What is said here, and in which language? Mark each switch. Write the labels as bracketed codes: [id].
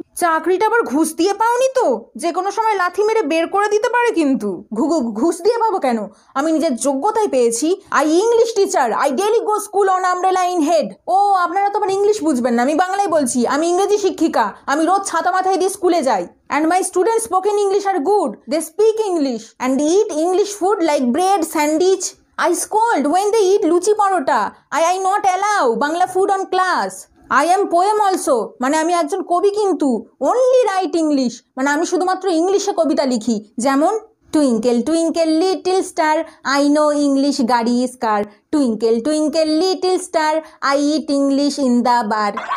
[bn] চাকরিটা আবার ঘুষ দিয়ে পাওনি তো? যে কোনো সময় লাথি মেরে বের করে দিতে পারে কিন্তু। ঘুষ দিয়ে পাবো কেন, আমি নিজের যোগ্যতায় পেয়েছি। [en] I English teacher, I daily go school on umbrella in head. [bn] ও, আপনারা তো আমার ইংলিশ বুঝবেন না, আমি বাংলায় বলছি। আমি ইংরেজি শিক্ষিকা, আমি রোজ ছাতা মাথায় দিয়ে স্কুলে যাই। [en] And my students spoken English are good. They speak English and eat English food like bread, sandwich. I scold when they eat luchi parota. I not allow Bangla food on class. I am poem also, [bn] মানে আমি একজন কবি, কিন্তু [en] only write English, [bn] মানে আমি শুধুমাত্র ইংলিশে কবিতা লিখি। [en] যেমন, twinkle twinkle little star, I know English গাড়ি is car, twinkle twinkle little star, I eat English in the bar.